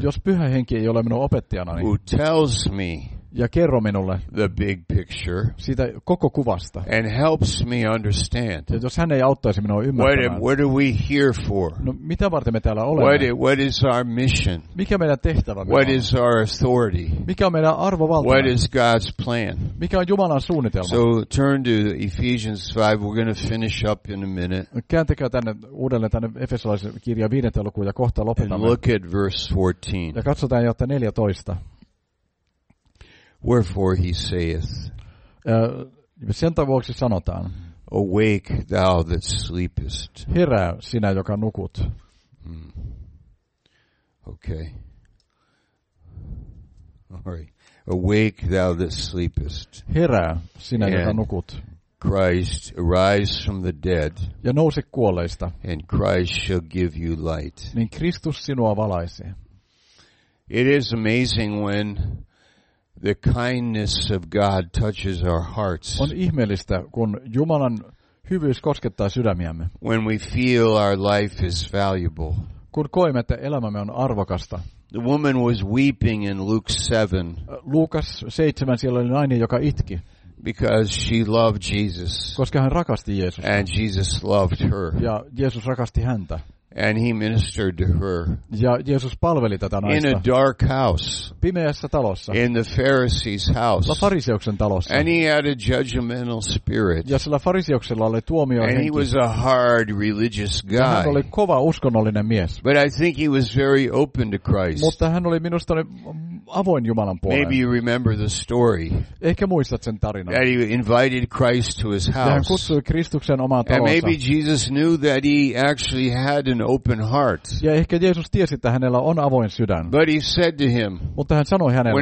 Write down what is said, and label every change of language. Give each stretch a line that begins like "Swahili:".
Finnish: Jos Pyhä Henki ei ole minun opettajanani.
English: Who tells me.
Finnish: Ja kerro minulle
English: the big picture.
Finnish: Siitä koko kuvasta.
English: And helps me understand.
Finnish: Ja jos hän ei auttaisi minua ymmärtämään.
English: What are we here for?
Finnish: No, mitä varten me täällä olemme?
English: What is our mission?
Finnish: Mikä meidän tehtävä?
English: What is our authority?
Finnish: Mikä on meidän arvovalta?
English: What is God's plan?
Finnish: Mikä on Jumalan suunnitelma?
English: So turn to Ephesians 5. We're going to finish up in a minute.
Finnish: Kääntäkää tänne uudelleen tänne Efesolaisen kirjan 5. lukuun ja kohta lopetamme.
English: And look at verse 14.
Finnish: Ja katsotaan jotta 14.
English: Wherefore he saith,
Finnish: sen vuoksi sanotaan,
English: awake thou that sleepest.
Finnish: Herää sinä, joka nukut. Hmm.
English: Okay. Awake thou that sleepest.
Finnish: Herää sinä, and joka nukut.
English: Christ, arise from the dead.
Finnish: Ja nouse kuolleista.
English: And Christ shall give you light.
Finnish: Niin Kristus sinua valaisi.
English: It is amazing when the kindness of God touches our hearts.
Finnish: On ihmeellistä, kun Jumalan hyvyys koskettaa sydämiämme.
English: When we feel our life is valuable.
Finnish: Kun koemme, että elämämme on arvokasta.
English: The woman was weeping in Luke 7.
Finnish: Luukas 7, siellä oli nainen, joka itki.
English: Because she loved Jesus.
Finnish: Koska hän rakasti Jeesusta.
English: And Jesus loved her.
Finnish: Ja Jeesus rakasti häntä.
English: And he ministered to her.
Finnish: Ja Jeesus palveli tätä naista.
English: In a dark house.
Finnish: Pimeässä talossa.
English: In the Pharisee's house.
Finnish: La fariseuksen talossa.
English: And he had a judgmental spirit.
Finnish: Ja sillä fariseuksella oli tuomio henki.
English: And he was a hard religious guy.
Finnish: Hän oli kova uskonnollinen mies.
English: But I think he was very open to Christ.
Finnish: Mutta hän oli minusta avoin Jumalan puoleen.
English: Maybe you remember the story.
Finnish: Ehkä muistat sen tarinan.
English: That he invited Christ to his house.
Finnish: Hän kutsui Kristuksen omaan taloonsa.
English: And maybe Jesus knew that he actually had an open heart.
Finnish: Ja ehkä Jeesus tiesi, että hänellä on avoin sydän.
English: But he said to him,
Finnish: mutta hän sanoi hänelle,